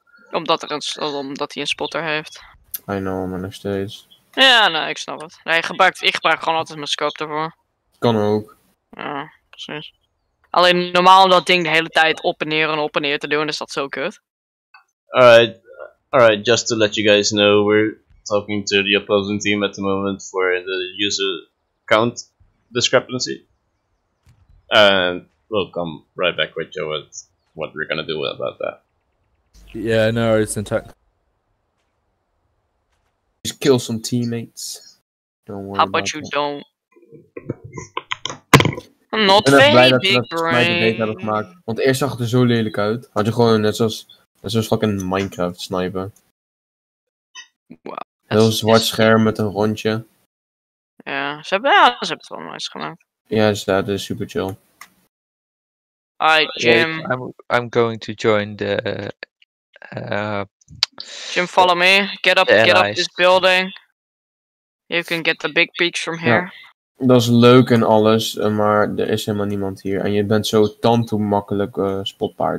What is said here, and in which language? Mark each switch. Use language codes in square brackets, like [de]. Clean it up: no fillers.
[nl] Omdat hij een spotter heeft. [en] I know, [nl] maar nog steeds. Ja, nee, ik snap het. Nee, ik gebruik gewoon altijd mijn scope daarvoor. Kan ook. Ja, precies. Alleen normaal om dat ding de hele tijd op en neer en op en neer te doen, is dat zo kut. [en] Alright, just to let you guys know, we're talking to the opposing team at the moment for the user count discrepancy. And we'll come right back with you with what we're gonna do about that. Yeah, no, it's intact. Just kill some teammates. Don't worry. How about that. You don't? Not very big brain. [nl] Ik ben blij dat we dat hebben gemaakt. Want eerst zag het er zo lelijk uit. Had je gewoon net zoals fucking Minecraft sniper. Wow. Heel zwart scherm met een rondje. Ja, ze hebben het wel nice gemaakt. Ja, dus dat is super chill. [en] Hi, Jim. I'm going to join the... Jim, follow me. Get up this building. You can get the big peaks from here. [nl] Ja, dat is leuk en alles, maar er is helemaal niemand hier. En je bent zo tamto makkelijk spotbaar.